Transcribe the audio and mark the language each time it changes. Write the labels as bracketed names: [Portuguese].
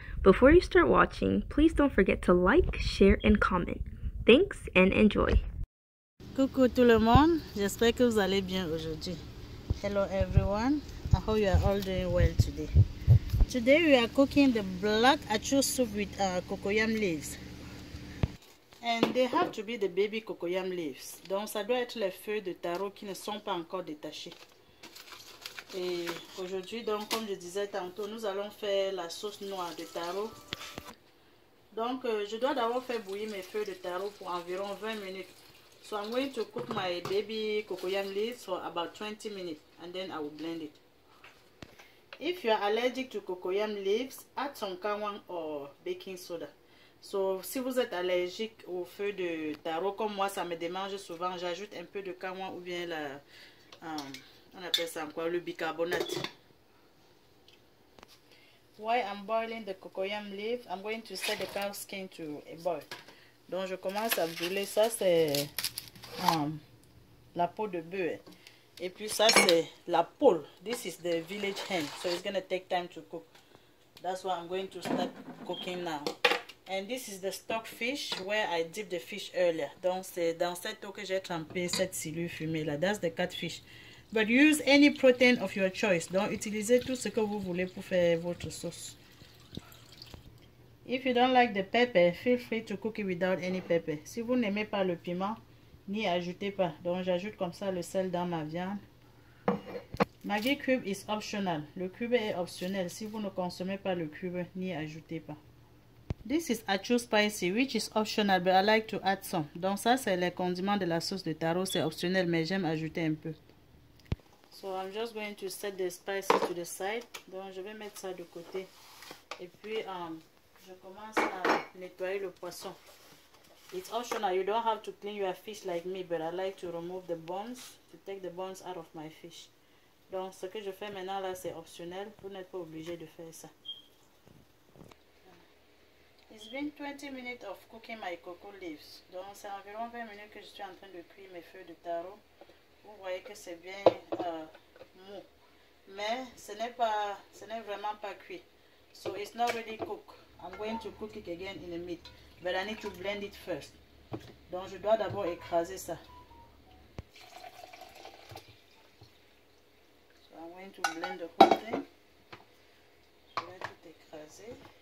[English] Before you start watching, please don't forget to like, share, and comment. Thanks and enjoy. [French] Coucou tout le monde, j'espère que vous allez bien aujourd'hui. [English] Hello everyone, I hope you are all doing well today. Today we are cooking the black achu soup with cocoyam leaves. And they have to be the baby cocoyam leaves. [French] Donc ça doit être les feuilles de taro qui ne sont pas encore détachées. Et aujourd'hui, donc, comme je disais tantôt, nous allons faire la sauce noire de taro. Donc, je dois d'abord faire bouillir mes feuilles de taro pour environ 20 minutes. [English] So, I'm going to cook my baby cocoyam leaves for about 20 minutes and then I will blend it. If you are allergic to cocoyam leaves, add some kawang or baking soda. [French] So, si vous êtes allergique aux feuilles de taro, comme moi, ça me démange souvent, j'ajoute un peu de kawang ou bien la... On appelle ça encore le bicarbonate. [English] While I'm boiling the cocoyam leaf, I'm going to set the cow skin to a boil. [French] Donc je commence à brûler. Ça c'est la peau de bœuf. Et puis ça c'est la poule. [English] This is the village hen. So it's going to take time to cook. That's why I'm going to start cooking now. And this is the stock fish where I dipped the fish earlier. [French] Donc c'est dans cette eau que j'ai trempé cette cellule fumée là. [English] That's the catfish. But use any protein of your choice. [French] Donc, utilisez tout ce que vous voulez pour faire votre sauce. [English] If you don't like the pepper, feel free to cook it without any pepper. [French] Si vous n'aimez pas le piment, n'y ajoutez pas. Donc, j'ajoute comme ça le sel dans ma viande. [English] Maggi cube is optional. [French] Le cube est optionnel. Si vous ne consommez pas le cube, n'y ajoutez pas. [English] This is achu spicy, which is optional, but I like to add some. [French] Donc, ça, c'est les condiments de la sauce de taro. C'est optionnel, mais j'aime ajouter un peu. [English] So I'm just going to set the spices to the side. [French] Donc je vais mettre ça de côté. Et puis je commence à nettoyer le poisson. [English] It's optional. You don't have to clean your fish like me, but I like to remove the bones, to take the bones out of my fish. [French] Donc ce que je fais maintenant là, c'est optionnel. Vous n'êtes pas obligé de faire ça. [English] It's been 20 minutes of cooking my cocoa leaves. [French] Donc c'est environ 20 minutes que je suis en train de cuire mes feuilles de taro. Vous voyez que c'est bien mou, mais ce n'est vraiment pas cuit. [English] So it's not really cooked. I'm going to cook it again in a minute, but I need to blend it first. [French] Donc je dois d'abord écraser ça. [English] So I'm going to blend the whole thing. [French] Je vais tout écraser.